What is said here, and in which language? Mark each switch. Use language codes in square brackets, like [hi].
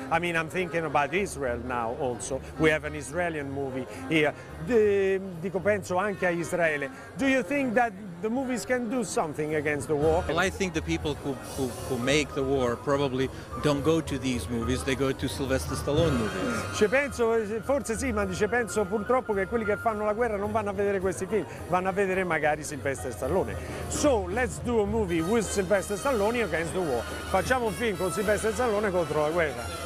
[en] I mean, I'm thinking about Israel now also. We have an Israeli movie here. [it] Dico, penso anche a Israele. [en] Do you think that the movies can do something against the war? Well, I think the people who make the war probably don't go to these movies, they go to Sylvester Stallone movies. [it] Ci penso, forse sì, ma ci penso purtroppo che quelli che fanno la guerra non vanno a vedere questi film, vanno a vedere magari Sylvester Stallone. [en] So, let's do a movie with Sylvester Stallone against the war. [it] Facciamo un film con Sylvester Stallone contro la guerra.